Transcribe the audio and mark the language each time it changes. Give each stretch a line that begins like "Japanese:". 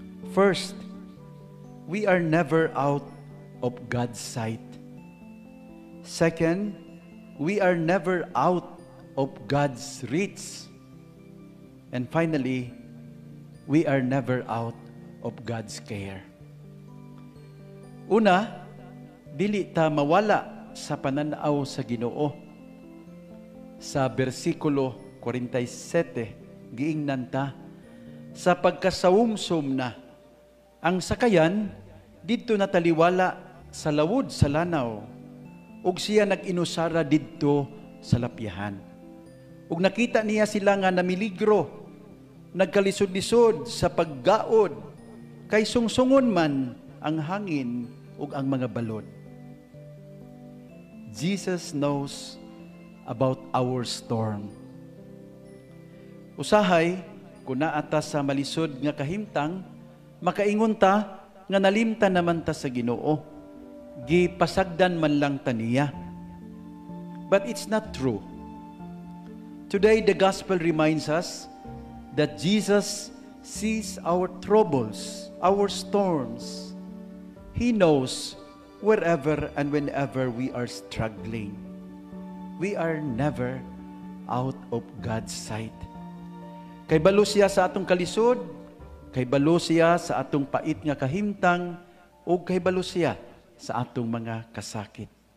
English: First, we are never out of God's sight. Second, we are never out of God's reach. And finally, we are never out of God's care.
Cebuano: Una, dili ta mawala sa pananaw sa Ginoo. Sa versikulo 47, giingnan ta, sa pagkasawumsum na, ang sakayan dito nataliwala sa lawod sa lanaw ug siya nag-inusara dito sa lapyahan. Ug nakita niya sila nga namiligro, nagkalisod-lisod sa paggaod kay sungsungon man ang hangin ug ang mga balon.
English: Jesus knows about our storm.
Cebuano: Usahay, kuna ata sa malisod nga kahimtang, makaingon ta nga nalimta naman ta sa Ginoo, gipasagdan man lang ta niya.
English: But it's not true. Today, the gospel reminds us that Jesus sees our troubles, our storms. He knows wherever and whenever we are struggling. We are never out of God's sight.
Cebuano: Kay balo siya sa atong kalisod, kay balo siya sa atong pait nga kahimtang, o kay balo siya sa atong mga kasakit.